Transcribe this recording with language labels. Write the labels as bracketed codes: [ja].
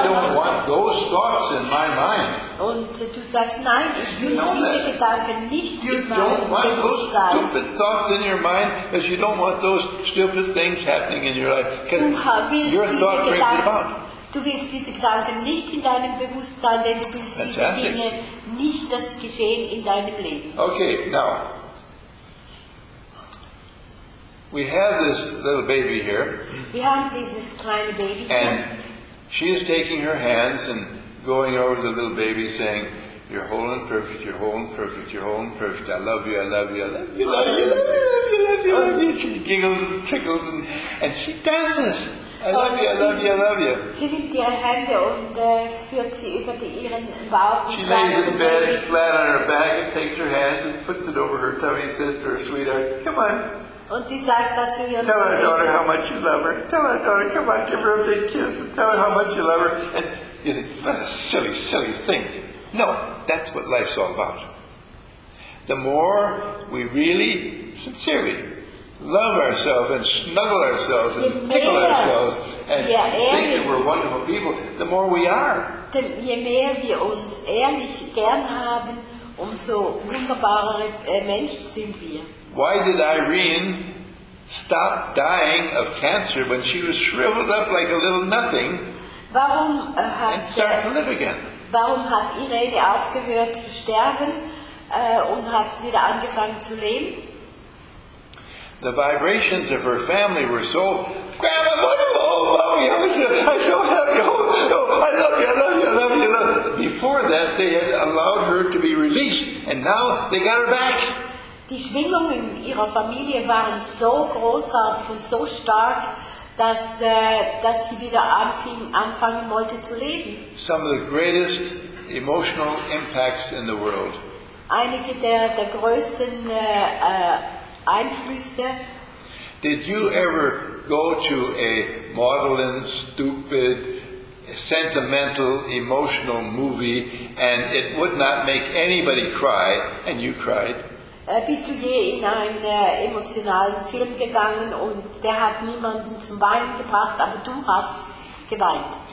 [en] I don't want those thoughts in my mind. [de] Und du sagst, nein, ich will diese Gedanken nicht [en] you [de] in meinem Bewusstsein. [en] You don't want those stupid thoughts in your mind, because you don't want those stupid things happening in your life. Because your thought brings it about. [de] Du willst diese Gedanken nicht in deinem Bewusstsein, denn du willst [en] Fantastic. [de] Diese Dinge nicht das Geschehen in deinem Leben. [en] Okay, now, we have this little baby here. [de] Wir haben dieses kleine Baby hier. [en] And she is taking her hands and going over the little baby saying, you're whole and perfect, you're whole and perfect, you're whole and perfect, I love you, I love you, I love you, I love you, I love you, I love you, I love you, I love you. She giggles and tickles and she does this. I love you, I love you, I love you. [de] Sie nimmt ihre Hände und führt sie über ihren Bauch. [en] She lays in bed flat on her back and takes her hands and puts it over her tummy and says to her sweetheart, come on. [de] Und sie sagt dazu ihr [en] tell our daughter how much you love her. Tell our daughter, come on, give her a big kiss and tell her how much you love her. And you think, what a silly, silly thing. No, that's what life's all about. The more we really Here we love ourselves and snuggle ourselves and tickle ourselves and think that we're wonderful people, the more we are. [de] Je mehr wir uns ehrlich gern haben, umso wunderbarere Menschen sind wir. [en] Why did Irene stop dying of cancer when she was shriveled up like a little nothing and start to live again? [de] Warum hat Irene aufgehört zu sterben und hat wieder angefangen zu leben? [en] The vibrations of her family were so, Grandma, what do you want? I so love you. Oh, I love you, I love you, I love you, I love you. Before that, they had allowed her to be released, and now they got her back. [de] Die Schwingungen ihrer Familie waren so großartig und so stark, dass sie wieder anfangen wollte zu leben. [en] Some of the greatest emotional impacts in the world. [de] Einige der größten Einflüsse. [en] Did you ever go to a maudlin, stupid, sentimental, emotional movie and it would not make anybody cry and you cried? [de] Bist du je in einen emotionalen Film gegangen und der hat niemanden zum Weinen gebracht, aber du hast geweint?